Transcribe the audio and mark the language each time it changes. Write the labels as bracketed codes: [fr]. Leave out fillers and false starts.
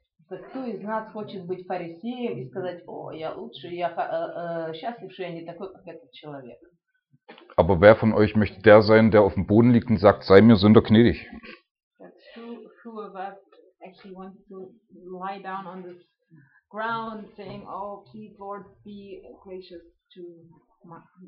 [en] But who is not [ru] хочет быть фарисеем и сказать, "О, я лучше, я счастлив, что я не такой, как этот человек." [de] Aber wer von euch möchte der sein, der auf dem Boden liegt und sagt, "Sei mir Sünder gnädig"? [en] But who of us actually wants to lie down on this ground saying, oh, please, Lord, be gracious to my...